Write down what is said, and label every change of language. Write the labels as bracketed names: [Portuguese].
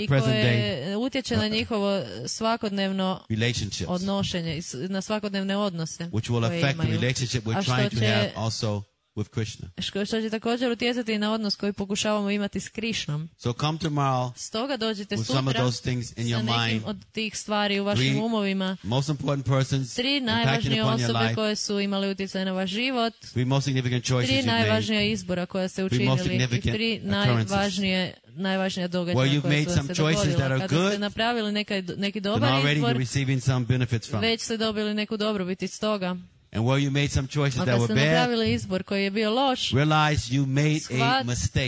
[Croatian] i koje utječe na njihovo svakodnevno [English] relationships, [Croatian] odnošenje, na svakodnevne odnose [English] which will [Croatian] koje [English] affect [Croatian] imaju. [English] The relationship we're [Croatian] a [English] trying to have also with Krishna. [Croatian] Što će također utjecati na odnos koji pokušavamo imati s Krišnom. [English] So come tomorrow, [Croatian] stoga dođite [English] with [Croatian] sutra [English] some of those things in your mind, [Croatian] od tih stvari u vašim [English] three [Croatian] umovima. [English] Most important persons, [Croatian] tri najvažnije osobe koje su imale utjecaj na vaš život, [English] three most significant choices, [Croatian] tri najvažnija izbora koja ste učinili i tri najvažnije najvažnija događaja [English] well, [Croatian] koja su vam se dogodila. Kada [English] good, [Croatian] ste napravili neki dobar izbor, već ste dobili neku dobrobit iz toga. [English] And while you made some choices that were bad, [Croatian] napravili izbor koji je bio loš, [English] realize you made a mistake.